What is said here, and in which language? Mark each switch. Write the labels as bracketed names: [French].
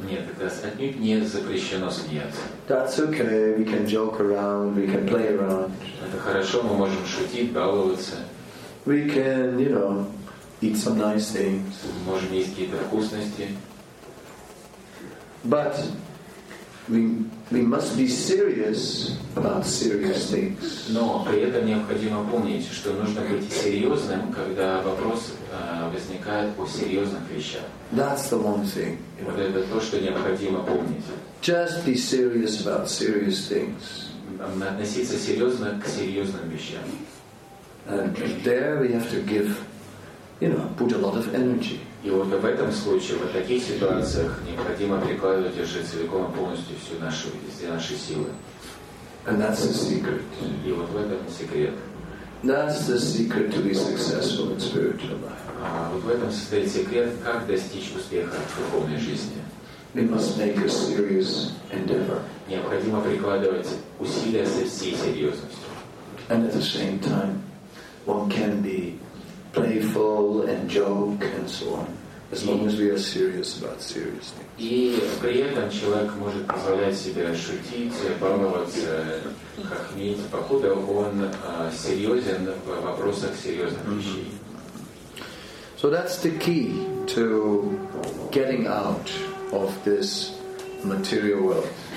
[Russian] Нет, отнюдь не запрещено смеяться. [English] That's okay. We can joke around. We can play around. [Russian] Это хорошо. Мы можем шутить, баловаться. [English] We can, you know, eat some nice things. [Russian] Мы можем есть какие-то вкусности. [English] But We must be serious about serious things. [Russian] Но при этом необходимо помнить, что нужно быть серьезным, когда вопрос возникает о серьезных вещах. [English] That's the one thing. [Russian] Вот это то, что необходимо помнить. [English] Just be serious about serious things. [Russian] Относиться серьезно к серьезным вещам. [English] And there we have to give, you know, put a lot of energy. [Russian] И вот в этом случае, в таких ситуациях, необходимо прикладывать уже целиком и полностью всю нашу, все наши силы. [English] And that's the secret. [Russian] И вот в этом секрет. [English] That's the secret to be successful in spiritual life. [Russian] Вот в этом состоит секрет, как достичь успеха в духовной жизни. [English] We must make a serious endeavor. [Russian] Необходимо прикладывать усилия со всей серьезностью. [English] And at the same time, one can be playful and joke and so on, as long as we are serious about serious things. [Russian] И при этом человек может позволять себе шутить, баловаться, хохмить, покуда он серьезен в вопросах серьезных вещей. [English] So that's the key to getting out of this material world.